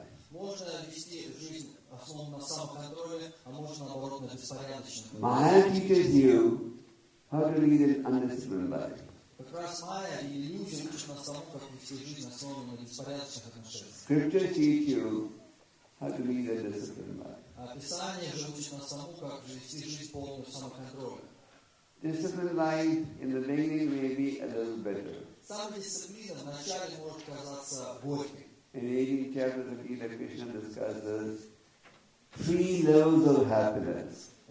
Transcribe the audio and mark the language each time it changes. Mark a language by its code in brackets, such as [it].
[ru] Можно вести жизнь основанную на самоконтроле, а можно наоборот на беспорядочном. [en] Майя teaches you how to lead an undisciplined life. [ru] Как раз майя и иллюзия учат нас тому, как вести жизнь основанную на беспорядочных отношениях. [en] Scripture teach you how to lead a disciplined life. [ru] А Писание же учит нас тому, как вести жизнь полную самоконтроля. [en] Disciplined life in the beginning may be a little bitter. [ru] Самодисциплина вначале может казаться горькой. [en] In 18 chapters of Gita, Krishna discusses three levels of happiness.